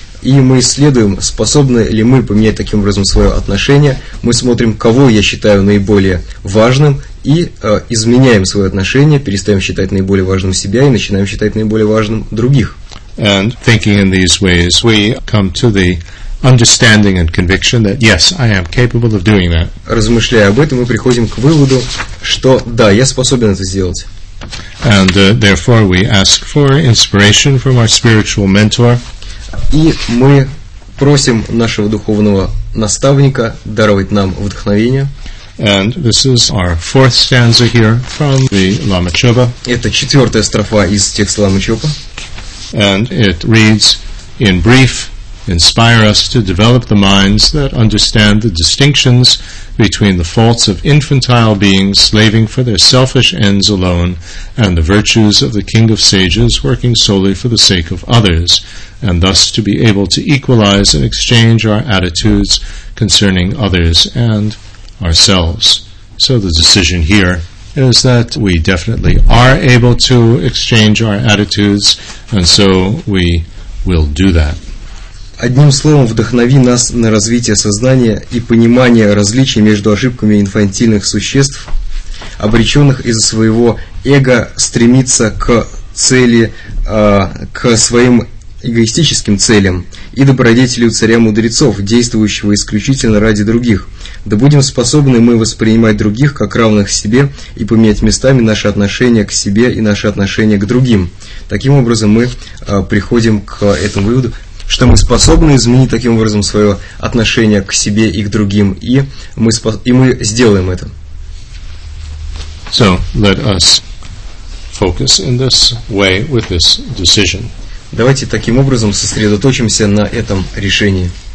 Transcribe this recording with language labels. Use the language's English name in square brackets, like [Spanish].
[Russian] И мы исследуем, способны ли мы поменять таким образом свое отношение. Мы смотрим, кого я считаю наиболее важным, и изменяем свое отношение, перестаем считать наиболее важным себя и начинаем считать наиболее важным других. [English] And thinking in these ways, we come to the understanding and conviction that yes, I am capable of doing that. [Russian] Размышляя об этом, мы приходим к выводу, что да, я способен это сделать. [English] And therefore we ask for inspiration from our spiritual mentor. [Russian] И мы просим нашего духовного наставника даровать нам вдохновение. [English] And this is our fourth stanza here from the Lama Chöpa. [Russian] Это четвертая строфа из текста Ламы Чопа. [English] And it reads in brief: inspire us to develop the minds that understand the distinctions between the faults of infantile beings slaving for their selfish ends alone and the virtues of the King of Sages working solely for the sake of others, and thus to be able to equalize and exchange our attitudes concerning others and ourselves. So the decision here is that we definitely are able to exchange our attitudes, and so we will do that. [Russian] Одним словом, вдохнови нас на развитие сознания и понимание различий между ошибками инфантильных существ, обреченных из-за своего эго стремиться к цели, к своим эгоистическим целям, и добродетелью царя-мудрецов, действующего исключительно ради других, Да будем способны мы воспринимать других как равных себе и поменять местами наши отношения к себе и наши отношения к другим. Таким образом, мы приходим к этому выводу, что мы способны изменить таким образом свое отношение к себе и к другим, и мы сделаем это. [English] So, let us focus in this way with this decision. [Russian] Давайте таким образом сосредоточимся на этом решении.